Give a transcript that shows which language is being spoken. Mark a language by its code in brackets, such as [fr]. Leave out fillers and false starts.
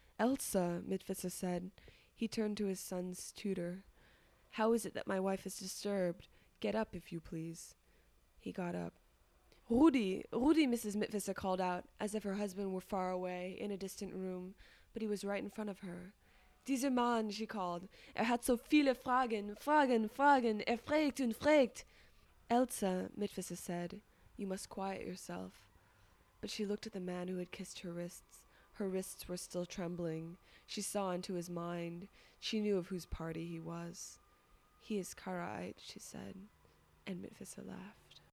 [en] "Elsa," Mitwisser said. He turned to his son's tutor. "How is it that my wife is disturbed? Get up, if you please." He got up. "Rudy, Rudy," Mrs. Mitwisser called out, as if her husband were far away, in a distant room, but he was right in front of her. [de] "Dieser Mann," [en] she called. [de] "Hat so viele Fragen, Fragen, Fragen, fragt und fragt." [en] "Elsa," Mitwisser said, "you must quiet yourself." But she looked at the man who had kissed her wrists. Her wrists were still trembling. She saw into his mind. She knew of whose party he was. "He is Karait," she said. And Mitwisser laughed.